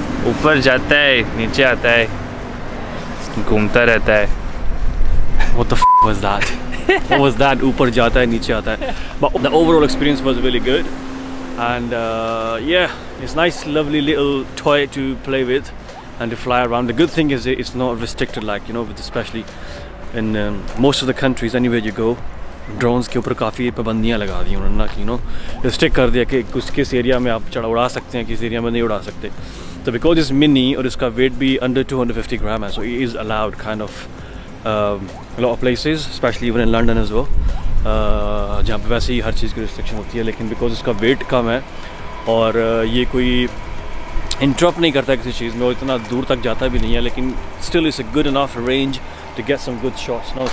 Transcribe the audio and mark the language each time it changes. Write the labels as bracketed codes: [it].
[hi] ऊपर जाता है, नीचे आता है, घूमता रहता है। [en] What the f was that? What was that? [hi] ऊपर जाता है, नीचे आता है। [en] But the overall experience was really good, and yeah, it's nice, lovely little toy to play with and to fly around. The good thing is it's not restricted, like, you know, with especially in most of the countries, anywhere you go. [hi] Drones के ऊपर काफ़ी पाबंदियाँ लगा दी उन्होंने, ना कि you know रिस्ट्रिक कर दिया कि किस किस एरिया में आप चढ़ा उड़ा सकते हैं, किस एरिया में नहीं उड़ा सकते। तो बिकॉज इस मिनी और इसका वेट भी अंडर 250 ग्राम है, [en] so it is allowed kind of lot of places, specially even in London is [hi] वो जहाँ पर वैसे ही हर चीज़ की रिस्ट्रिक्शन होती है, लेकिन बिकॉज इसका वेट कम है और ये कोई इंटरप्ट नहीं करता किसी चीज़ में, वो इतना दूर तक जाता भी नहीं है, लेकिन [en] Still is a good enough range to get some good shots.